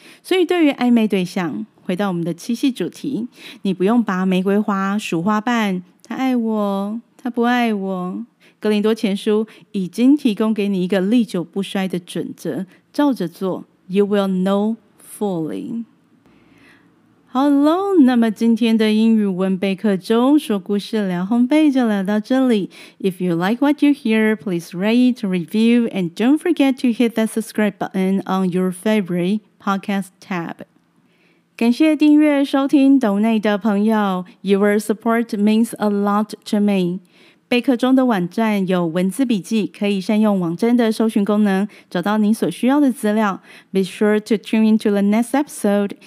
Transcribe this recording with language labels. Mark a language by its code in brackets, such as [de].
[zh] 所以对于暧昧对象回到我们的七夕主题你不用拔玫瑰花数花瓣他爱我他不爱我哥林多前书已经提供给你一个历久不衰的准则照着做 [en] You will know fully [zh] 好喽，那么今天的英语文备课中说故事聊烘焙就聊到这里。 [en] If you like what you hear, please rate, review, and don't forget to hit that subscribe button on your favorite podcast tab. [zh] 感谢订阅收听 Donate 的朋友 ， [en] Your support means a lot to me. [zh] 备课中的网站有文字笔记，可以善用网站的搜寻功能，找到你所需要的资料。 [en] Be sure to tune into the next episode.